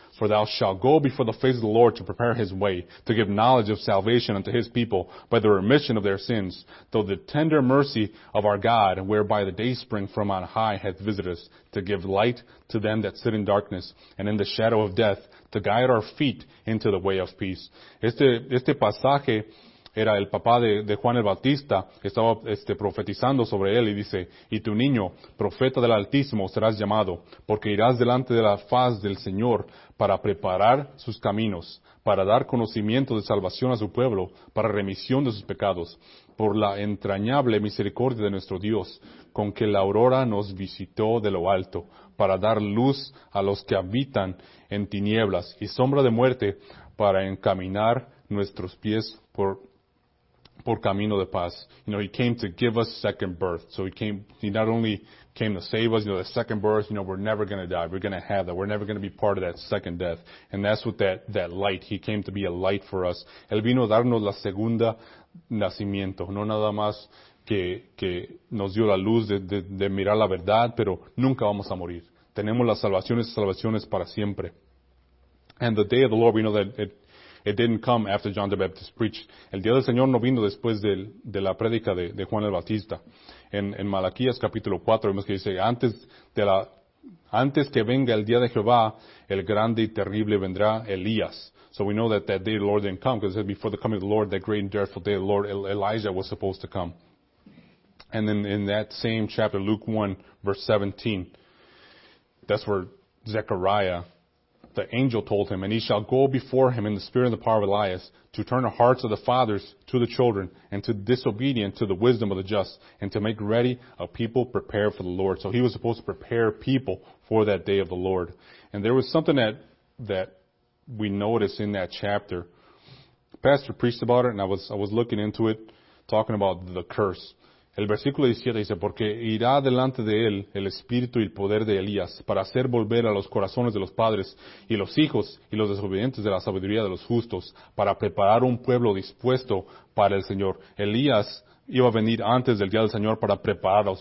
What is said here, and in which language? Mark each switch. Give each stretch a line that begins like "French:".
English: For thou shalt go before the face of the Lord to prepare his way, to give knowledge of salvation unto his people by the remission of their sins, through the tender mercy of our God, whereby the day spring from on high hath visited us, to give light to them that sit in darkness and in the shadow of death, to guide our feet into the way of peace.
Spanish: Este pasaje era el papá de Juan el Bautista, estaba profetizando sobre él y dice, y tu niño, profeta del Altísimo, serás llamado, porque irás delante de la faz del Señor para preparar sus caminos, para dar conocimiento de salvación a su pueblo, para remisión de sus pecados, por la entrañable misericordia de nuestro Dios, con que la aurora nos visitó de lo alto, para dar luz a los que habitan en tinieblas y sombra de muerte, para encaminar nuestros pies por camino de paz.
English: You know, he came to give us second birth. So he not only came to save us, you know, the second birth, you know, we're never going to die. We're going to have that. We're never going to be part of that second death. And that's what that light, he came to be a light for us.
Spanish: Él vino a darnos la segunda nacimiento. No nada más que nos dio la luz de mirar la verdad, pero nunca vamos a morir. Tenemos las salvaciones para siempre.
English: And the day of the Lord, we know that it didn't come after John the Baptist preached.
Spanish: El día del Señor no vino después de la prédica de Juan el Bautista. En Malaquías capítulo 4 vemos que dice, antes que venga el día de Jehová, el grande y terrible vendrá Elías.
English: So we know that day the Lord didn't come, because it said before the coming of the Lord, that great and dreadful day of the Lord, Elijah was supposed to come. And then in that same chapter, Luke 1 verse 17, that's where Zechariah, the angel told him, and he shall go before him in the spirit and the power of Elias, to turn the hearts of the fathers to the children, and to disobedient to the wisdom of the just, and to make ready a people prepared for the Lord. So he was supposed to prepare people for that day of the Lord. And there was something that we notice in that chapter. The pastor preached about it, and I was looking into it, talking about the curse.
Spanish: El versículo 17 dice, porque irá delante de él el espíritu y el poder de Elías para hacer volver a los corazones de los padres y los hijos y los desobedientes de la sabiduría de los justos para preparar un pueblo dispuesto para el Señor. Elías iba a venir antes del día del Señor para prepararlos.